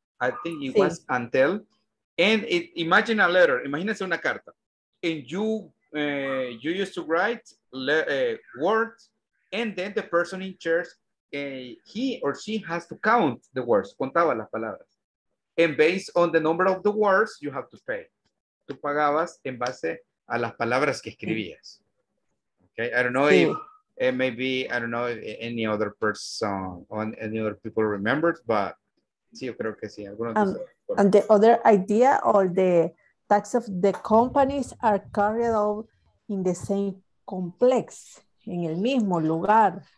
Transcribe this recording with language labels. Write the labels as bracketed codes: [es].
[en] I think it was Antel. And it, imagine a letter. [es] Imagínense una carta. [en] And you you used to write words. And then the person in charge, he or she has to count the words. [es] Contaba las palabras. [en] And based on the number of the words, you have to pay. [es] Tú pagabas en base a las palabras que escribías. [en] Okay. I don't know if maybe, I don't know if any other person or any other people remembers, but. [es] Sí, yo creo que sí. [en] And the other idea, all the tax of the companies are carried out in the same complex, [es] en el mismo lugar.